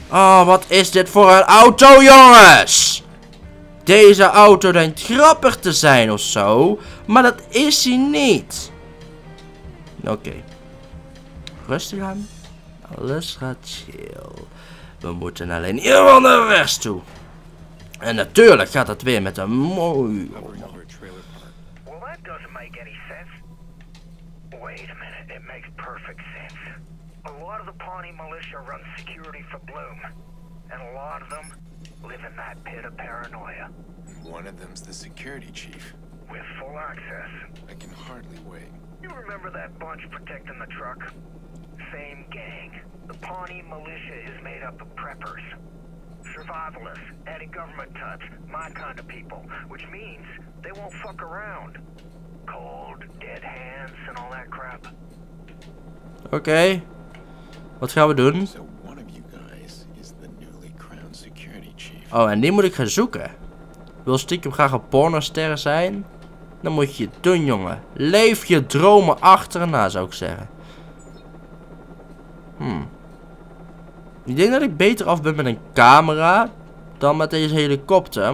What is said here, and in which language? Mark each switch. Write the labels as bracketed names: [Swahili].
[Dutch] Oh, wat is dit voor een auto, jongens? Deze auto denkt grappig te zijn of zo, maar dat is hij niet. Oké. Rustig aan. Alles gaat chill. We moeten alleen helemaal naar rechts toe. En natuurlijk gaat het weer met een mooi. [English] Well, that doesn't make any sense. Wait a minute, it makes perfect sense. A lot of the Pawnee militia run security for Bloom. And a lot of them live in that pit of paranoia. One of them's the security chief. With full access. I can hardly wait. You remember that bunch protecting the truck? Same gang. The Pawnee militia is made up of preppers. Survivalists, anti-government types, my kind of people, which means they won't fuck around. Cold, dead hands, and all that crap. [Dutch] Okay. What gaan we doen? [English] So one of you guys is the newly crowned security chief. [Dutch] Oh, en die moet ik gaan zoeken. Wil stiekem graag een pornoster zijn? Dan moet je het doen, jongen. Leef je dromen achterna, zou ik zeggen. Ik denk dat ik beter af ben met een camera dan met deze helikopter.